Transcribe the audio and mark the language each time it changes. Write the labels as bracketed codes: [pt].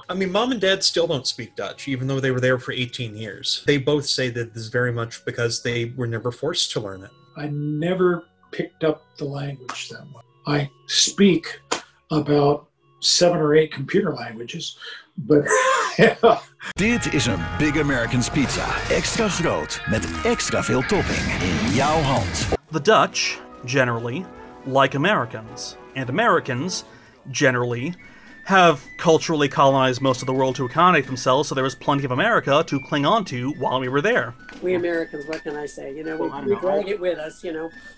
[en] I mean, Mom and Dad still don't speak Dutch, even though they were there for 18 years. They both say that this is very much because they were never forced to learn it. I never picked up the language that way. I speak about seven or eight computer languages, but... [nl] Dit is een Big American's Pizza. Extra groot, met extra veel topping in jouw hand. [en] The Dutch, generally, like Americans, and Americans, generally, have culturally colonized most of the world to accommodate themselves, so there was plenty of America to cling on to while we were there. We Americans, what can I say? You know, we drag it with us, you know.